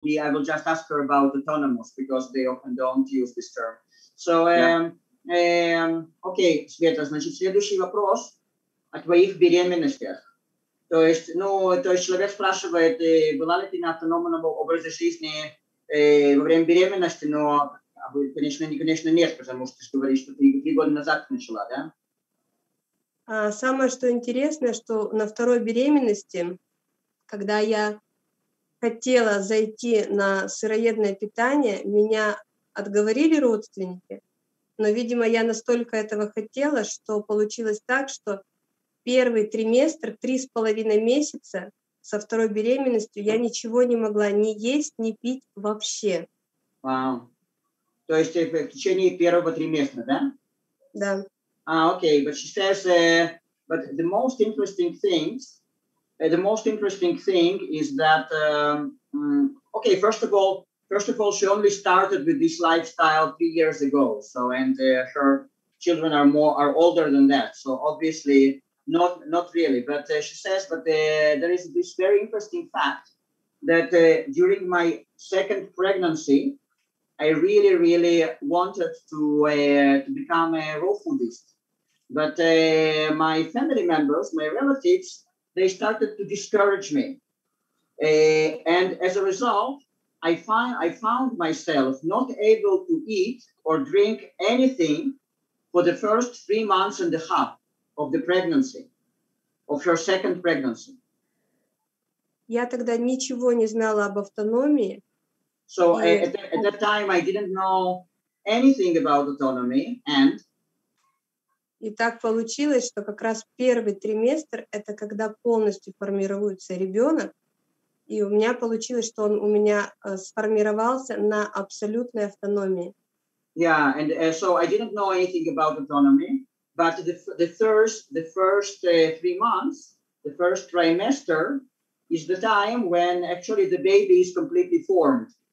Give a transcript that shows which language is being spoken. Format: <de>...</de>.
<en>I will just ask her about autonomous because they often don't use this term. So, yeah.</en> <ru>Окей, Света, значит, следующий вопрос о твоих беременностях. То есть, ну, то есть человек спрашивает, была ли ты на автономном образе жизни во время беременности, но, конечно, нет, потому что ты говоришь, что ты 3 года назад начала, да? А самое, что интересно, что на второй беременности, когда я хотела зайти на сыроедное питание, меня отговорили родственники, но, видимо, я настолько этого хотела, что получилось так, что первый триместр, 3,5 месяца со второй беременностью я ничего не могла ни есть, ни пить вообще. Вау. То есть в течение первого триместра, да? Да.</ru> <en>Okay, but she says, but the most interesting things, is that, okay, first of all, she only started with this lifestyle 3 years ago. So, and her children are older than that. So obviously not really, but she says, but there is this very interesting fact that during my second pregnancy, I really, really wanted to become a raw foodist. But my family members, my relatives, they started to discourage me. And as a result, I found myself not able to eat or drink anything for the first 3.5 months of the pregnancy, of her second pregnancy.</en> <ru>Я тогда ничего не знала об автономии.</ru> <en>So at that time, I didn't know anything about autonomy and...</en> <ru>И так получилось, что как раз первый триместр — это когда полностью формируется ребенок, и у меня получилось, что он у меня сформировался на абсолютной автономии.</ru> <en>Yeah, and so I didn't know anything about autonomy, but the first trimester is the time when actually the baby is completely formed.</en>